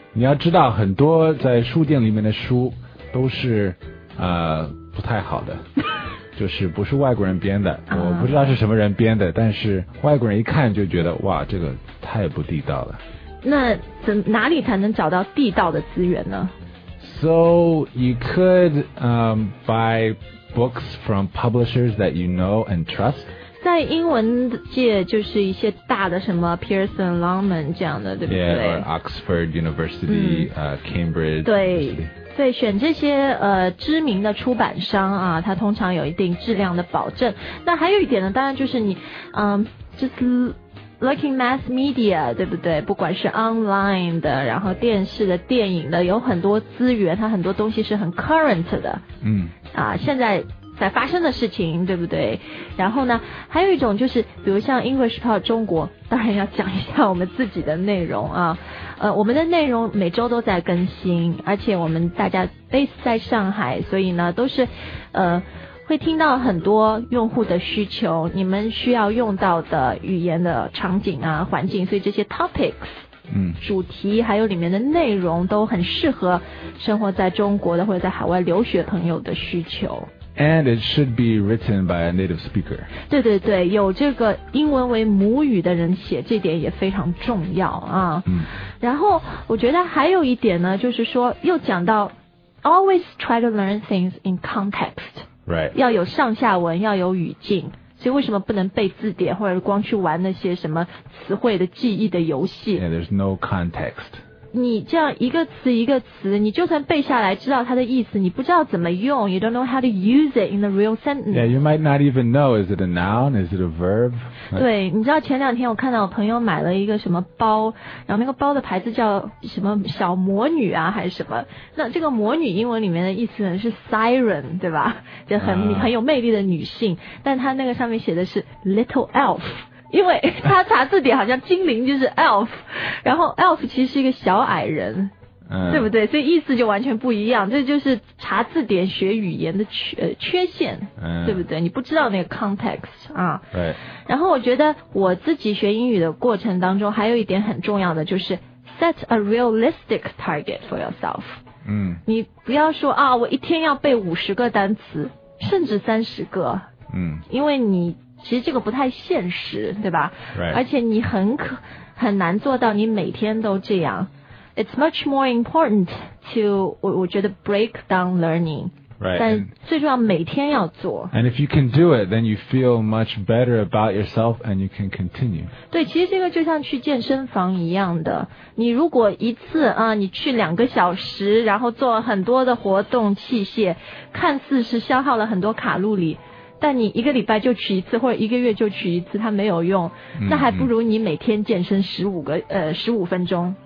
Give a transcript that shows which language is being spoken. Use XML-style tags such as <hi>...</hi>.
<zh>你要知道很多在书店里面的书都是不太好的。就是不是外国人编的，我不知道是什么人编的，但是外国人一看就觉得哇，这个太不地道了。那哪里才能找到地道的资源呢？</zh> <en>So you could buy books from publishers that you know and trust.</en> <zh>在英文界就是一些大的什么 Pearson Longman 这样的对不对</zh> <en>Yeah, or Oxford University,、Cambridge</en> <zh>对</zh> <en>University.</en> <zh>对选这些、知名的出版商啊它通常有一定质量的保证那还有一点呢当然就是你、</zh> <en>just looking mass media</en> <zh>对不对不管是 online 的然后电视的电影的有很多资源它很多东西是很 current 的嗯啊现在在发生的事情对不对然后呢还有一种就是比如像 English Talk 中国当然要讲一下我们自己的内容啊我们的内容每周都在更新而且我们大家 base 在上海所以呢都是会听到很多用户的需求你们需要用到的语言的场景啊环境所以这些 topics主题还有里面的内容都很适合生活在中国的或者在海外留学朋友的需求</zh> <en>And it should be written by a native speaker.</en> <zh>对对对，有这个英文为母语的人写，这点也非常重要啊。嗯。然后我觉得还有一点呢，就是说又讲到</zh> <en>always try to learn things in context. Right.</en> <zh>要有上下文，要有语境。所以为什么不能背字典，或者光去玩那些什么词汇的记忆的游戏</zh> <en>？Yeah, there's no context.</en> <zh>你这样一个词一个词你就算背下来知道它的意思你不知道怎么用</zh> <en>You don't know how to use it in the real sentence Yeah, you might not even know Is it a noun? Is it a verb?</en> <zh>对你知道前两天我看到我朋友买了一个什么包然后那个包的牌子叫什么小魔女啊还是什么那这个魔女英文里面的意思是 siren 对吧就 很有魅力的女性但它那个上面写的是 little elf因为他查字典好像精灵就是 elf 然后 elf 其实是一个小矮人、对不对所以意思就完全不一样这就是查字典学语言的 缺陷、对不对你不知道那个 context 啊。</zh> <en>Right.</en> <zh>然后我觉得我自己学英语的过程当中还有一点很重要的就是</zh> <en>set a realistic target for yourself</en> <zh>嗯，你不要说啊，我一天要背50个单词甚至30个嗯，因为你其实这个不太现实对吧、</zh> <en>right.</en> <zh>而且你很难做到你每天都这样</zh> <en>It's much more important to</en> <zh>我觉得</zh> <en>break down learning、 right.</en> <zh>但最重要每天要做</zh> <en>And if you can do it then you feel much better about yourself and you can continue</en> <zh>对其实这个就像去健身房一样的你如果一次啊，你去两个小时然后做很多的活动器械看似是消耗了很多卡路里但你一个礼拜就取一次或者一个月就取一次它没有用那还不如你每天健身15分钟</zh>